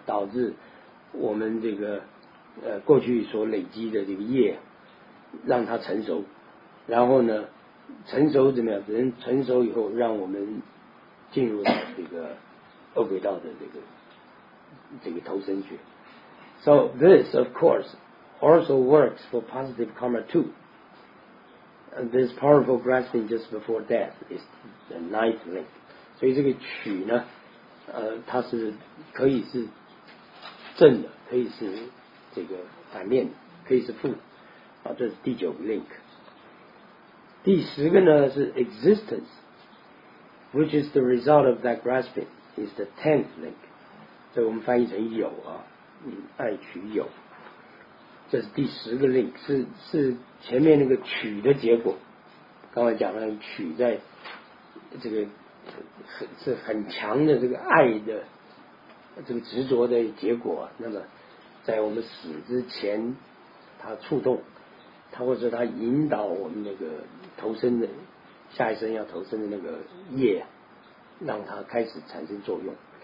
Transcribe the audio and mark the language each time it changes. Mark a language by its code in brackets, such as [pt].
[zh] 导致我们这个过去所累积的这个业，让它成熟，然后呢，成熟怎么样？人成熟以后，让我们进入到这个恶鬼道的这个投身去。 [en] So this, of course, also works for positive karma too. And this powerful grasping just before death is the ninth link. [zh] 所以这个取呢，它是可以是正的，可以是这个反面的，可以是负的。这是第九个 link。第十个呢是 [en] existence, which is the result of that grasping, is the tenth link. [zh] 所以我们翻译成有啊，爱取有。这是第十个 link, 是前面那个取的结果。刚才讲了取在这个是很强的这个爱的这个执着的结果、啊、那么在我们死之前它触动它，或者它引导我们那个投身的下一生要投身的那个业，让它开始产生作用。